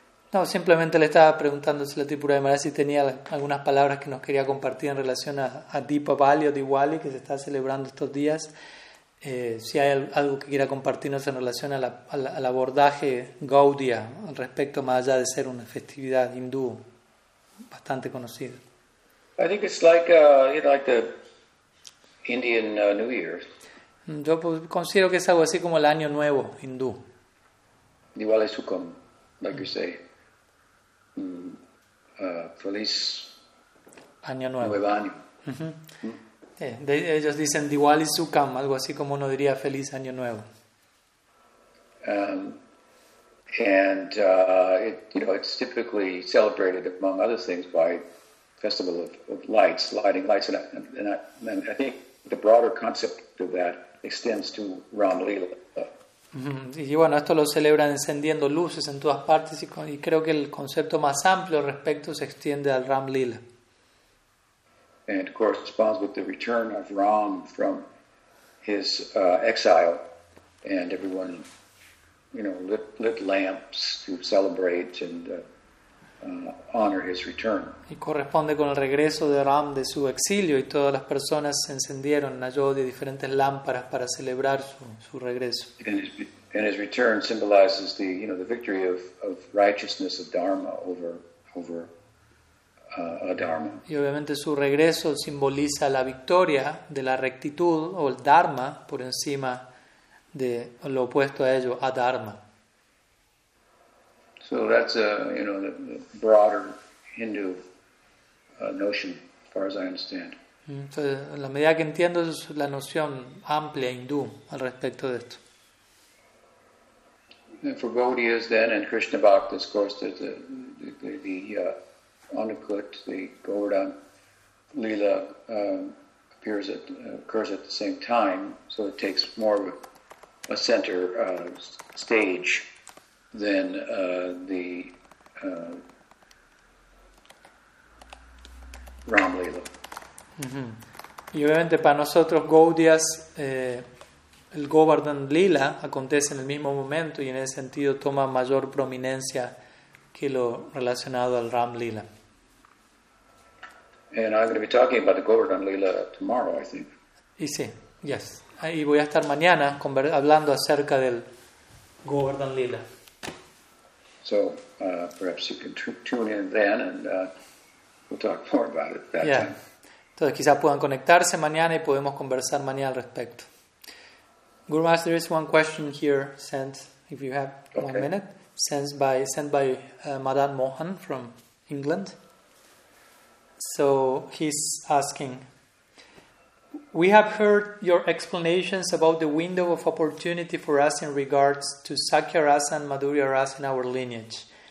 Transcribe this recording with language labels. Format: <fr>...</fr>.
<es>No, simplemente le estaba preguntando si la Tripura de Maharaj si tenía algunas palabras que nos quería compartir en relación a Deepavali o Diwali que se está celebrando estos días. Si hay algo que quiera compartirnos en relación al abordaje Gaudiya al respecto, más allá de ser una festividad hindú bastante conocida.</es> <en>I think it's like the Indian New Year.</en> <es>Yo considero que es algo así como el año nuevo hindú.</es> <en>Diwali Sukham, like you say.</en> <es>Feliz año nuevo. Nuevo año. Uh-huh. Yeah, ellos dicen Diwali Sukham, algo así como uno diría feliz año nuevo.</es> <en>It's typically celebrated among other things by festival of lights, lighting lights, and I think the broader concept of that extends to Ram Lila.</en> <es>Y bueno, esto lo celebran encendiendo luces en todas partes y creo que el concepto más amplio al respecto se extiende al Ram Lila.</es> <en>And it corresponds with the return of Ram from his exile, and everyone, you know, lit lamps to celebrate and honor his return.</en> <es>Y corresponde con el regreso de Ram de su exilio y todas las personas se encendieron en ayo de diferentes lámparas para celebrar su regreso.</es> <en>And his return symbolizes the, you know, the victory of righteousness of dharma over a dharma.</en> <es>Y obviamente su regreso simboliza la victoria de la rectitud o el dharma por encima de lo opuesto a ello, a dharma.</es> <en>So that's the broader Hindu notion, as far as I understand.</en> <es>Entonces, en la medida que entiendo, es la noción amplia hindú al respecto de esto.</es> <en>And for Gaudiyas then, and Krishna Bhaktas, of course, there's the Anukut, the Govardhan Lila occurs at the same time, so it takes more of a center stage than the Ram Lila.</en> <es>Y obviamente para nosotros Gaudiyas, el Govardhan Lila acontece en el mismo momento y en ese sentido toma mayor prominencia que lo relacionado al Ram Lila.</es> <en>And I'm going to be talking about the Govardhan Lila tomorrow, I think.</en> <es>Y sí,</es> <en>yes.</en> <es>Ahí voy a estar mañana hablando acerca del Govardhan Lila.</es> <en>So, perhaps you can tune in then and we'll talk more about it that yeah. time.</en> <es>Entonces quizás puedan conectarse mañana y podemos conversar mañana al respecto.</es> <en>Guru Maharaj, there is one question here sent, if you have okay. 1 minute, sent by Madan Mohan from England. So he's asking, we have heard your explanations about the window of opportunity for us in regards to Sakya Rasa and Madhurya Rasa in our lineage.</en>